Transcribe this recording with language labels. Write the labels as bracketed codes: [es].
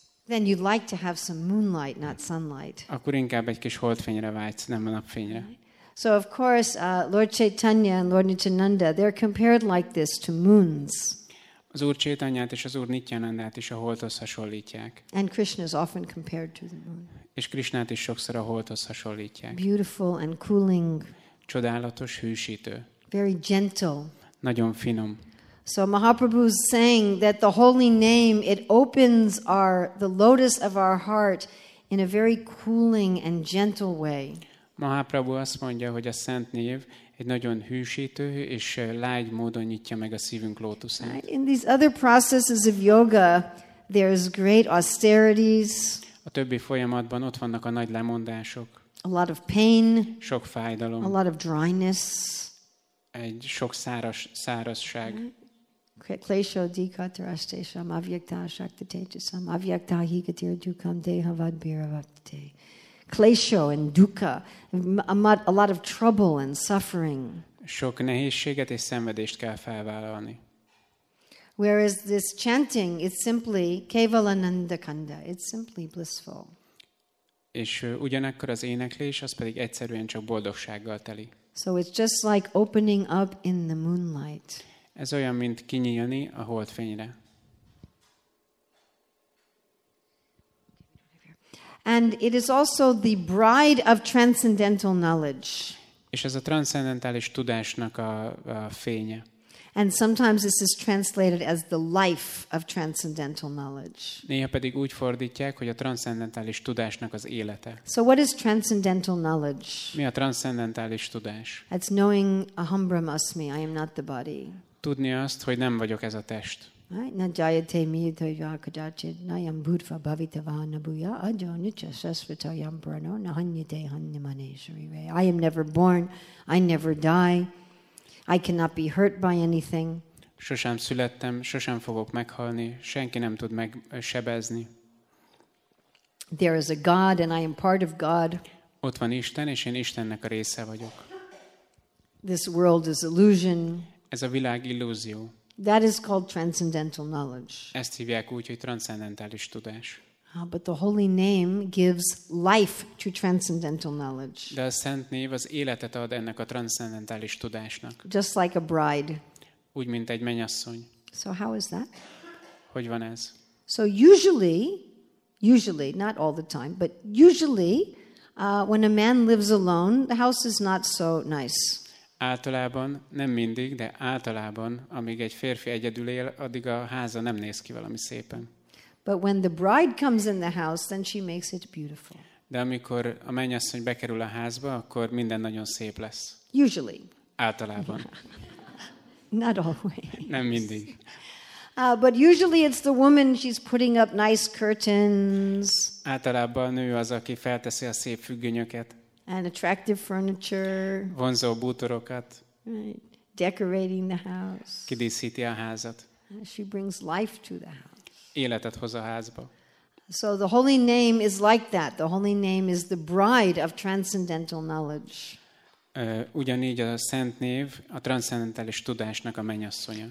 [en] then you'd like to have some moonlight, not sunlight. [hu] Akkor inkább egy kis holdfényre vágysz, nem a napfényre. [en] So of course, Lord Chaitanya and Lord Nityananda, they're compared like this to moons. [hu] Az Úr Chaitanyát és az Úr Nityanandát is a holdhoz hasonlítják. [en] And Krishna is often compared to the moon. [hu] És Krishnát is sokszor a holdhoz hasonlítják. [en] Beautiful and cooling. [hu] Csodálatos, hűsítő. [en] Very gentle. [hu] Nagyon finom. [en] So Mahaprabhu is saying that the holy name, it opens our the lotus of our heart in a very cooling and gentle way. [hu] Mahaprabhu azt mondja, hogy a szent név egy nagyon hűsítő és lágy módon nyitja meg a szívünk lótuszát. [en] In these other processes of yoga, there is great austerities. [hu] A többi folyamatban ott vannak a nagy lemondások. [en] A lot of pain. [hu] Sok fájdalom. [en] A lot of dryness. [hu] Egy sok szárazság. [sa] Klesho dikhatraste sham avyakta shakti tejasam avyakta higatir dukam dehavad biravakti. [en] Klesho and dukkha, a lot of trouble and suffering. [hu] Sok nehézséget és szenvedést kell felvállalni. [en] Whereas this chanting is simply kevalanandakanda, it's simply blissful. [hu] És ugyanakkor az éneklés az pedig egyszerűen csak boldogsággal teli. [en] So it's just like opening up in the moonlight. [hu] Ez olyan, mint kinyílni a holdfényre. [en] And it is also the bride of transcendental knowledge. [hu] És ez a transzcendentális tudásnak a fénye. [en] And sometimes this is translated as the life of transcendental knowledge. [hu] Néha pedig úgy fordítják, hogy a transzcendentális tudásnak az élete. [en] So what is transcendental knowledge? [hu] Mi a transzcendentális tudás? [en] It's knowing [sa] aham brahmasmi, [en] I am not the body. [hu] Tudni azt, hogy nem vagyok ez a test. [sa] Na jayate mito yakadachi nayam bhutva bhavitava nabuya ajo nicha sasvita yam prano nahanyate hanyamane shrive. [en] I am never born, I never die. I cannot be hurt by anything. [hu] Sosem születtem, sosem fogok meghalni, senki nem tud megsebezni. [en] There is a God and I am part of God. [hu] Ott van Isten, és én Istennek a része vagyok. [en] This world is illusion. [hu] Ez a világ illúzió. [en] That is called transcendental knowledge. [hu] Ezt hívják úgy, hogy transzcendentális tudás. [en] But the holy name gives life to transcendental knowledge. [hu] De a szent név az életet ad ennek a transzcendentális tudásnak. [en] Just like a bride. [hu] Úgy, mint egy mennyasszony. [en] So how is that? [hu] Hogy van ez? [en] So usually, not all the time, but usually, when a man lives alone, the house is not so nice. [hu] Általában, nem mindig, de általában, amíg egy férfi egyedül él, addig a háza nem néz ki valami szépen. [en] But when the bride comes in the house, then she makes it beautiful. [hu] De amikor a mennyasszony bekerül a házba, akkor minden nagyon szép lesz. [en] Usually. [hu] Általában. [en] Not always. [hu] Nem mindig. [en] But usually it's the woman, she's putting up nice curtains. [hu] Általában a nő az, aki felteszi a szép függönyöket. [en] And attractive furniture. [hu] Vonzó bútorokat. [en] Right. Decorating the house. [hu] Kidíszíti a házat. [en] She brings life to the house. [hu] Életet hoz a házba. [en] So the holy name is like that. The holy name is the bride of transcendental knowledge. [hu] Ugyanígy a szent név a transzcendentális tudásnak a mennyasszonya.